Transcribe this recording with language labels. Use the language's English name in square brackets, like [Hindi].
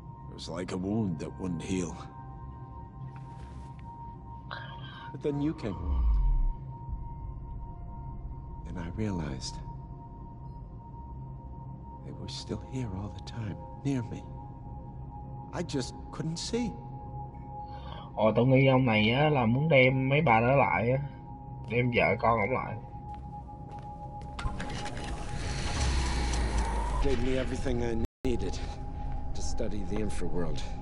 [English] It was like a wound that wouldn't heal. But then you came along. And I realized they were still here all the time, near me. I just couldn't see. [Vietnamese] Ồ, tôi nghĩ ông này á là muốn đem mấy bà đó lại á, đem vợ con ông lại. [English] Gave me everything I needed to study the infraworld.